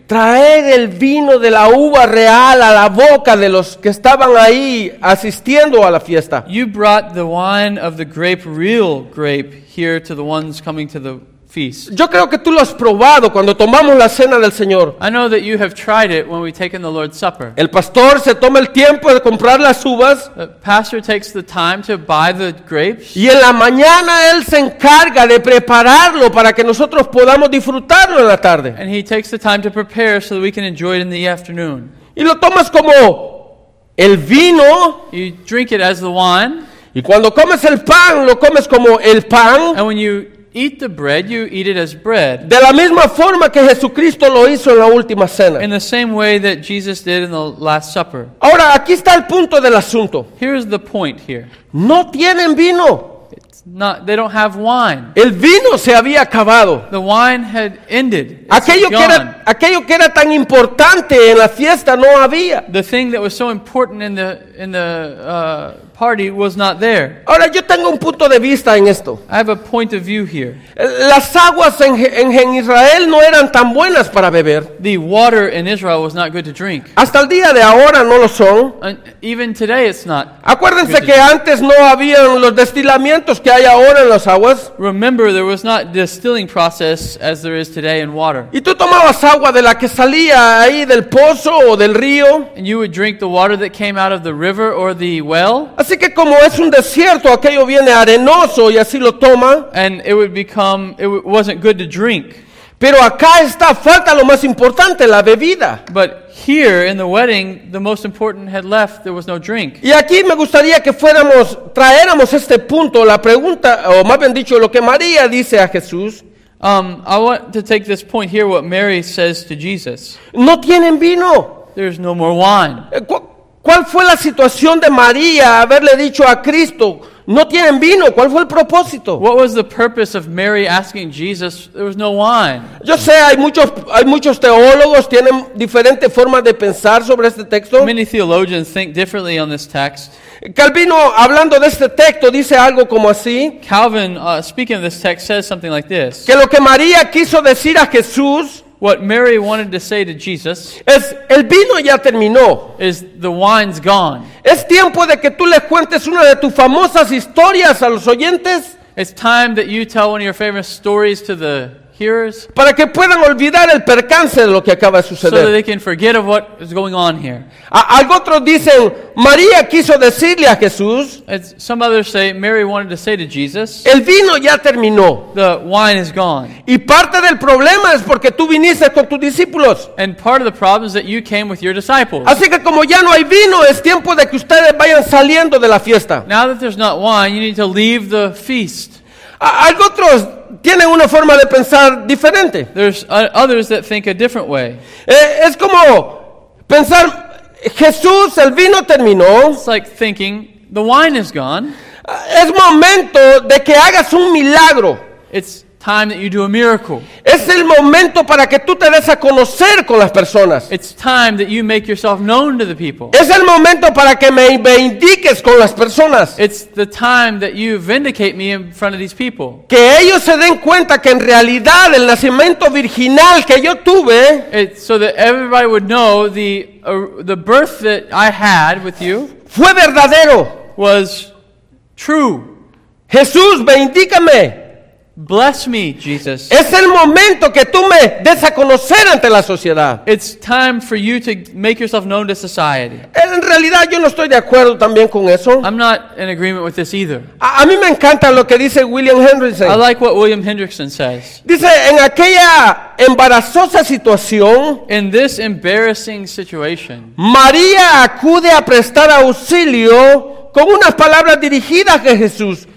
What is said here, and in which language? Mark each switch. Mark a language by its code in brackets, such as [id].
[es] Traer el vino de la uva real a la boca de los que estaban ahí asistiendo a la fiesta. [en] You brought the wine of the grape, real grape, here to the ones coming to the feast. [es] Yo creo que tú lo has probado cuando tomamos la cena del Señor. [en] I know that you have tried it when we've taken the Lord's Supper. [es] El pastor se toma el tiempo de comprar las uvas. [en] The pastor takes the time to buy the grapes. [es] Y en la mañana él se encarga de prepararlo para que nosotros podamos disfrutarlo en la tarde. [en] And he takes the time to prepare so that we can enjoy it in the afternoon. [es] Y lo tomas como el vino. [en] You drink it as the wine. [es] Y cuando comes el pan, lo comes como el pan. [en] And when you eat the bread, you eat it as bread. [es] De la misma forma que Jesucristo lo hizo en la última cena. [en] In the same way that Jesus did in the Last Supper. [es] Ahora, aquí está el punto del asunto. [en] Here's the point here. [es] No tienen vino. [en] They don't have wine. [es] El vino se había acabado. [en] The wine had ended. [es] Aquello que era tan importante en la fiesta no había. [en] The thing that was so important in the party was not there. [es] Ahora, yo tengo un punto de vista en esto. [en] I have a point of view here. [es] Las aguas en Israel no eran tan buenas para beber. [en] The water in Israel was not good to drink. [es] Hasta el día de ahora no lo son. [en] And even today it's not. [es] Acuérdense que antes no habían los destilamientos que hay ahora en las aguas. [en] Remember, there was not distilling process as there is today in water. [es] Y tú tomabas agua de la que salía ahí del pozo o del río. [en] And you would drink the water that came out of the river or the well. [es] Así que como es un desierto, aquello viene arenoso y así lo toma. [en] And it would become, it wasn't good to drink. [es] Pero acá está, falta lo más importante, la bebida. [en] But here in the wedding, the most important had left, there was no drink. [es] Y aquí me gustaría que fuéramos, traéramos este punto, la pregunta, o más bien dicho, lo que María dice a Jesús. [en] I want to take this point here, what Mary says to Jesus. [es] No tienen vino. [en] There's no more wine. [es] ¿Cuál fue la situación de María haberle dicho a Cristo, no tienen vino? ¿Cuál fue el propósito? [en] What was the purpose of Mary asking Jesus, there was no wine? [es] Yo sé, hay muchos teólogos tienen diferentes formas de pensar sobre este texto. [en] Many theologians think differently on this text. [es] Calvino, hablando de este texto, dice algo como así. [en] Calvin, speaking of this text, says something like this. [es] Que lo que María quiso decir a Jesús, [en] what Mary wanted to say to Jesus, [es] es el vino ya terminó. [en] Is the wine's gone. [es] Es tiempo de que tú le cuentes una de tus famosas historias a los oyentes. [en] It's time that you tell one of your famous stories to the hearers. [es] Para que puedan olvidar el percance de lo que acaba de suceder. [en] So that they can forget of what is going on here. [es] Algunos dicen, María quiso decirle a Jesús, [en] as some others say, Mary wanted to say to Jesus, [es] el vino ya terminó. [en] The wine is gone. [es] Y parte del problema es porque tú viniste con tus discípulos. [en] And part of the problem is that you came with your disciples. [es] Así que como ya no hay vino, es tiempo de que ustedes vayan saliendo de la fiesta. [en] Now that there's not wine, you need to leave the feast. [es] Algunos tienen una forma de pensar diferente. [en] There's others that think a different way. [es] Es como pensar, Jesús, el vino terminó. [en] It's like thinking, the wine is gone. [es] Es momento de que hagas un milagro. [en] It's time that you do a miracle. [es] Es el momento para que tú te des a conocer con las personas. [en] It's time that you make yourself known to the people. [es] Es el momento para que me vindiques con las personas. [en] It's the time that you vindicate me in front of these people. [es] Que ellos se den cuenta que en realidad el nacimiento virginal que yo tuve, [en] it's so that everybody would know the birth that I had with you, [es] fue verdadero. [en] Was true. [es] Jesús, bendícame. [en] Bless me, Jesus. [es] Es el momento que tú me des a conocer ante la sociedad. [en] It's time for you to make yourself known to society. [es] En realidad, yo no estoy de acuerdo también con eso. [en] I'm not in agreement with this either. [es] A mí me encanta lo que dice William Hendrickson. [en] I like what William Hendrickson says. [es] Dice, en aquella embarazosa situación, [en] in this embarrassing situation, [es] María acude a prestar auxilio con unas palabras dirigidas a Jesús.